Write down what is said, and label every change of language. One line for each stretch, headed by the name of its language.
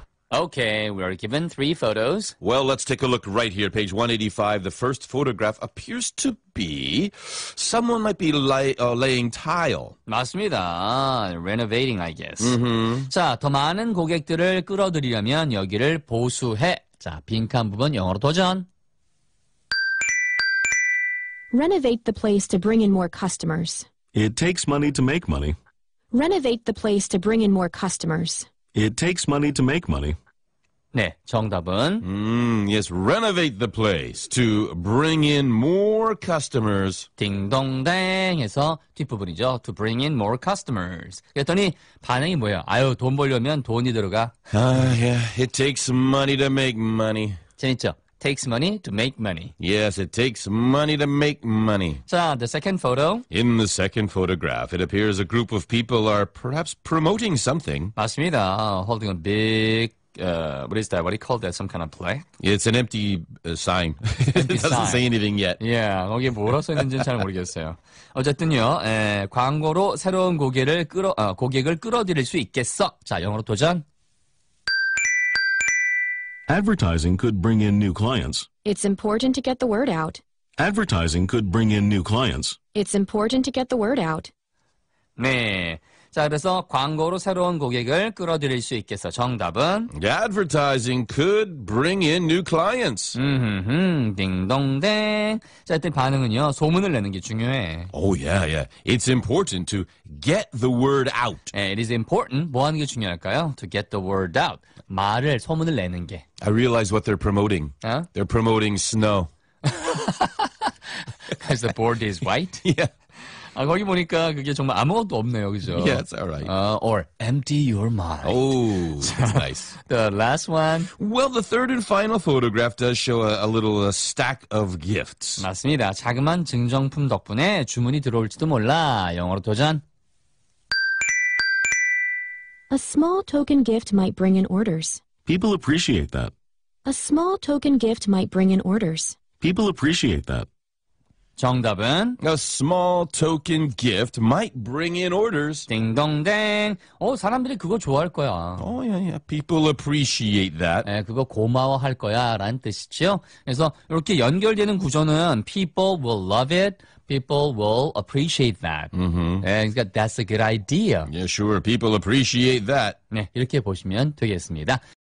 English: Okay, we are given 3 photos. Well, let's take a look right here. Page 185, the first photograph appears to be someone might be laying tile.
Korean: 맞습니다.
English: Renovating, I guess. Mm-hmm.
Korean: 자, 더 많은 고객들을 끌어들이려면 여기를 보수해. 자, 빈칸 부분 영어로 도전.
English: Renovate the place to bring in more customers. It takes money to make money. Renovate the place to bring in more customers. It takes money to make money.
Korean: 네, 정답은?
English: Yes, renovate the place to bring in more customers.
Korean: 딩동댕 해서 뒷부분이죠.
English: To bring in more customers.
Korean: 그랬더니 반응이 뭐예요? 아유, 돈 벌려면 돈이 들어가.
English: Yeah, it takes money to make money.
Korean: 재밌죠?
English: Takes money to make money. Yes, it takes money to make money. 자, the second photo. In the second photograph, it appears a group of people are perhaps promoting something.
Korean: 맞습니다.
English: Holding a big what is that? What do you call that? Some kind of play? It's an empty sign. It doesn't say anything yet.
Korean: Yeah, 거기에 뭐라고 써 있는지는 잘 모르겠어요. 어쨌든요, 에, 광고로 새로운 고객을, 끌어, 어, 고객을 끌어들일 수 있겠어. 자, 영어로 도전.
English: Advertising could bring in new clients. It's important to get the word out. Advertising could bring in new clients. It's important to get the word out.
Korean: 네. 자, 그래서 광고로 새로운 고객을 끌어들일 수 있겠어. 정답은?
English: Advertising could bring in new clients.
Korean: 딩동댕. 자, 이때 반응은요. 소문을 내는 게 중요해.
English: Oh, yeah, yeah. It's important to get the word out. 네, it is important.
Korean: 뭐 하는 게 중요할까요?
English: To get the word out.
Korean: 말을, 소문을 내는 게.
English: I realize what they're promoting. 어? They're promoting snow. Because the board is white? Yeah.
Korean: 아, 거기 보니까 그게 정말 아무것도 없네요, 그죠?
English: Yeah, it's alright. Or empty your mind. Oh, that's nice. The last one. Well, the third and final photograph does show a little a stack of gifts.
Korean: 맞습니다. 자그마한 증정품 덕분에 주문이 들어올지도 몰라. 영어로 도전.
English: A small token gift might bring in orders. People appreciate that. A small token gift might bring in orders. People appreciate that.
Korean: 정답은
English: A small token gift might bring in orders.
Korean: 딩동댕. 오, 사람들이 그거 좋아할 거야.
English: Oh, yeah, yeah. People appreciate that.
Korean: 네, 그거 고마워할 거야 라는 뜻이죠. 그래서 이렇게 연결되는 구조는
English: people will love it. People will appreciate that. Mm-hmm. And that's a good idea. Yeah, sure. People appreciate that.
Korean: 네, 이렇게 보시면 되겠습니다.